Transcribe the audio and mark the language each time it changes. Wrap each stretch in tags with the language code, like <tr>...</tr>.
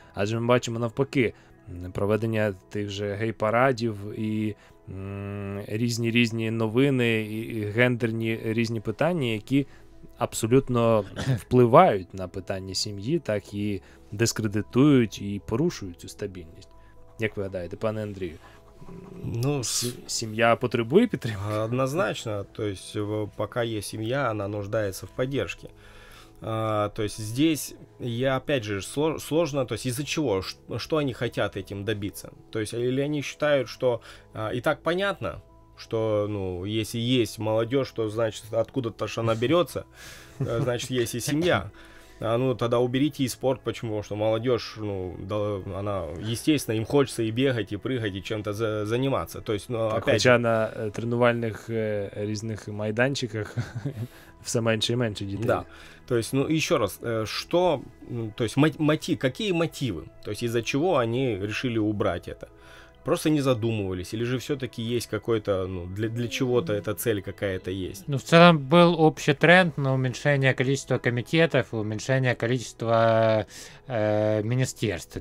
<uk>Адже ми бачимо навпаки проведення тих же гей-парадів і різні-різні новини, і гендерні різні питання, які абсолютно впливають на питання сім'ї, так і дискредитують, і порушують цю стабільність. Як ви гадаєте, пане Андрію, ну, сім'я потребує підтримки? Однозначно. Тобто, поки є сім'я, вона нуждається в підтримці.</uk> <ru>Тобто, здесь я, опять же, сложно, то есть из-за чего, что они хотят этим добиться. То есть, или они считают, что и так понятно, что, ну, если есть молодежь, то, значит, откуда-то же она берется, значит, есть и семья. А ну тогда уберите и спорт, почему? Потому что молодежь, ну, да, она, естественно, им хочется и бегать, и прыгать, и чем-то заниматься. То есть, ну, так, опять...</ru> <uk>Хоча на тренувальних різних майданчиках все менше и менше дітей.</uk> <ru>Да. То есть, ну, еще раз, что, то есть, какие мотивы? То есть, из-за чего они решили убрать это? Просто не задумывались? Или же все-таки есть какой-то, ну, для чего-то эта цель какая-то есть? Ну, в целом был общий тренд на уменьшение количества комитетов, уменьшение количества министерств.</ru>